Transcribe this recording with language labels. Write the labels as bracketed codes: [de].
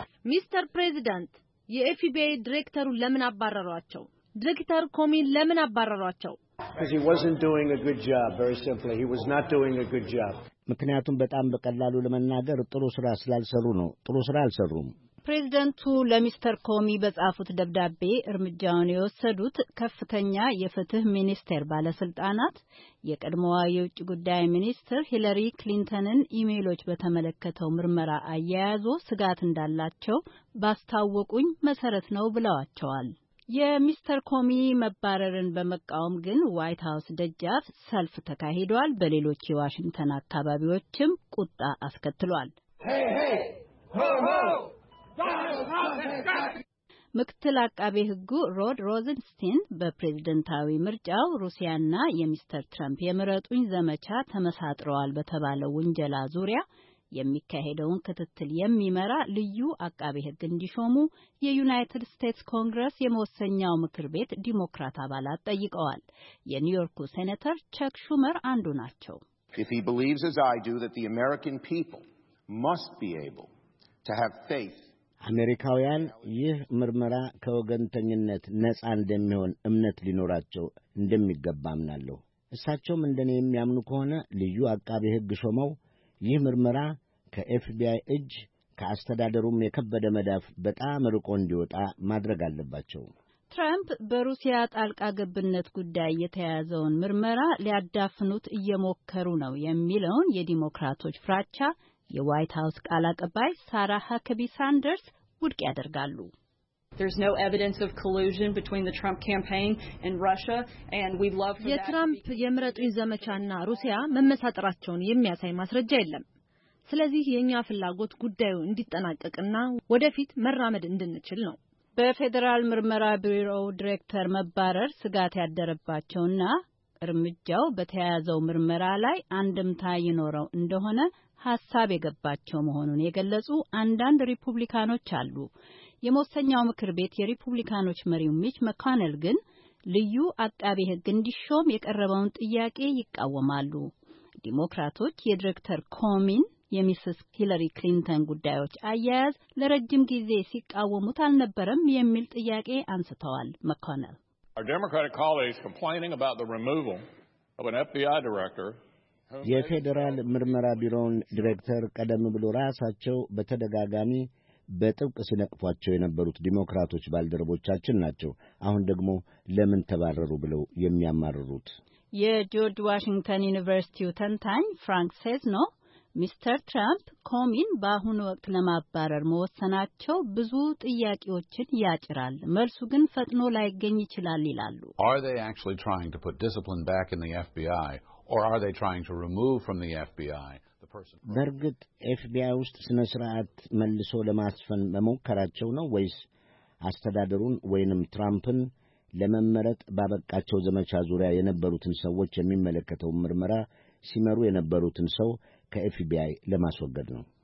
[am] ሚስተር ፕሬዚደንት፣ የኤፍቢአይ ዲሬክተሩን ለምን አባረሯቸው? ዲሬክተር ኮሚን ለምን አባረሯቸው? [en] Because he wasn't doing a good job, very simply. He was not doing a good job. [am] ምክንያቱም በጣም በቀላሉ ለመናገር ጥሩ ስራ ስላልሰሩ ነው። ጥሩ ስራ አልሰሩም። ፕሬዝዳንቱ ለሚስተር ኮሚ በጻፉት ደብዳቤ እርምጃውን የወሰዱት ከፍተኛ የፍትህ ሚኒስቴር ባለስልጣናት የቀድሞዋ የውጭ ጉዳይ ሚኒስትር ሂለሪ ክሊንተንን ኢሜሎች በተመለከተው ምርመራ አያያዙ ስጋት እንዳላቸው ባስታወቁኝ መሰረት ነው ብለዋቸዋል። የሚስተር ኮሚ መባረርን በመቃወም ግን ዋይት ሃውስ ደጃፍ ሰልፍ ተካሂዷል። በሌሎች የዋሽንግተን አካባቢዎችም ቁጣ አስከትሏል። ምክትል አቃቤ ሕጉ ሮድ ሮዘንስቲን በፕሬዝዳንታዊ ምርጫው ሩሲያና የሚስተር ትራምፕ የምረጡኝ ዘመቻ ተመሳጥረዋል በተባለው ወንጀላ ዙሪያ የሚካሄደውን ክትትል የሚመራ ልዩ አቃቤ ሕግ እንዲሾሙ የዩናይትድ ስቴትስ ኮንግረስ የመወሰኛው ምክር ቤት ዲሞክራት አባላት ጠይቀዋል። የኒውዮርኩ ሴኔተር ቸክ ሹመር አንዱ ናቸው። [en] If he believes as I do that the American people must be able to have faith [am] አሜሪካውያን ይህ ምርመራ ከወገንተኝነት ነጻ እንደሚሆን እምነት ሊኖራቸው እንደሚገባ አምናለሁ። እሳቸውም እንደኔ የሚያምኑ ከሆነ ልዩ አቃቤ ሕግ ሾመው ይህ ምርመራ ከኤፍቢአይ እጅ ከአስተዳደሩም የከበደ መዳፍ በጣም ርቆ እንዲወጣ ማድረግ አለባቸው። ትራምፕ በሩሲያ ጣልቃ ገብነት ጉዳይ የተያዘውን ምርመራ ሊያዳፍኑት እየሞከሩ ነው የሚለውን የዲሞክራቶች ፍራቻ የዋይት ሃውስ ቃል አቀባይ ሳራ ሃከቢ ሳንደርስ ውድቅ ያደርጋሉ። [en] There's no evidence of collusion between the Trump campaign and Russia, and we'd love for that. [am] የትራምፕ የምረጡኝ ዘመቻና ሩሲያ መመሳጠራቸውን የሚያሳይ ማስረጃ የለም። ስለዚህ የኛ ፍላጎት ጉዳዩ እንዲጠናቀቅና ወደፊት መራመድ እንድንችል ነው። በፌደራል ምርመራ ቢሮ ዳይሬክተር መባረር ስጋት ያደረባቸውና እርምጃው በተያያዘው ምርመራ ላይ አንድምታ ይኖረው እንደሆነ ሐሳብ የገባቸው መሆኑን የገለጹ አንዳንድ ሪፑብሊካኖች አሉ። የመወሰኛው ምክር ቤት የሪፑብሊካኖች መሪው ሚች መካነል ግን ልዩ አቃቤ ሕግ እንዲሾም የቀረበውን ጥያቄ ይቃወማሉ። ዲሞክራቶች የዲሬክተር ኮሚን የሚስስ ሂለሪ ክሊንተን ጉዳዮች አያያዝ ለረጅም ጊዜ ሲቃወሙት አልነበረም የሚል ጥያቄ አንስተዋል። መካነል [en] Our Democratic colleagues complaining about the removal of an FBI director [am] የፌደራል ምርመራ ቢሮን ዲሬክተር ቀደም ብሎ ራሳቸው በተደጋጋሚ በጥብቅ ሲነቅፏቸው የነበሩት ዲሞክራቶች ባልደረቦቻችን ናቸው። አሁን ደግሞ ለምን ተባረሩ ብለው የሚያማርሩት የጆርጅ ዋሽንግተን ዩኒቨርሲቲው ተንታኝ ፍራንክ ሴዝኖ ሚስተር ትራምፕ ኮሚን በአሁኑ ወቅት ለማባረር መወሰናቸው ብዙ ጥያቄዎችን ያጭራል፣ መልሱ ግን ፈጥኖ ላይገኝ ይችላል ይላሉ። [en] Are they actually trying to put discipline back in the FBI or are they trying to remove from the FBI [am] በርግጥ ኤፍቢአይ ውስጥ ስነ ስርዓት መልሶ ለማስፈን መሞከራቸው ነው ወይስ አስተዳደሩን ወይንም ትራምፕን ለመመረጥ ባበቃቸው ዘመቻ ዙሪያ የነበሩትን ሰዎች የሚመለከተው ምርመራ ሲመሩ የነበሩትን ሰው ከኤፍቢአይ ለማስወገድ ነው?